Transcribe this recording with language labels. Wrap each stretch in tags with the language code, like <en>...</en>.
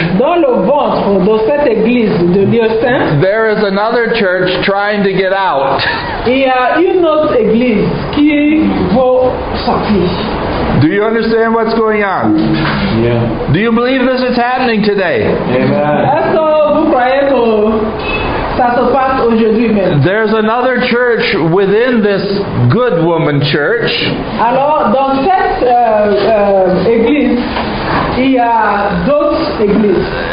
<fr>dans le ventre de cette église de Dieu Saint,</fr> <en>there is another church trying to get out.</en> <fr>Il y a une autre église qui veut sortir.</fr> <en>Do you understand what's going on? Yeah. Do you believe this is happening today? Amen.</en> <fr>Est-ce que vous croyez que ça se passe aujourd'hui même?</fr> <en>There's another church within this good woman church.</en> <fr>Alors, dans cette église, il y a d'autres églises.</fr>